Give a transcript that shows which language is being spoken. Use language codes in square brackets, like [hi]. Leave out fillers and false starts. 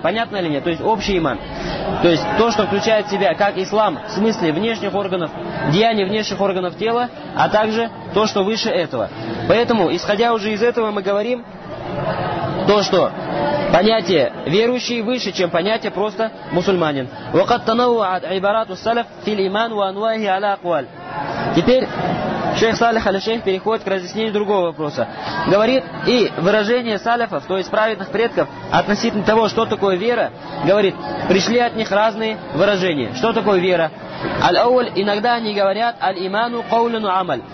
[ru] Понятно или нет? То есть общий иман. То есть то, что включает в себя как ислам в смысле внешних органов, деяний внешних органов тела, а также то, что выше этого. Поэтому, исходя уже из этого, мы говорим то, что понятие верующий выше, чем понятие просто мусульманин. [ar] وقد تنوعت عبارات السلف في الإيمان وأنواعه على أقوال. [ru] Теперь шейх Салих аль-Шейх переходит к разъяснению другого вопроса. Говорит, и выражение салифов, то есть праведных предков, относительно того, что такое вера, говорит, пришли от них разные выражения. Что такое вера? [ar] Аль-Ауль, [ru] иногда они говорят [ar] аль-Иману каулину амаль.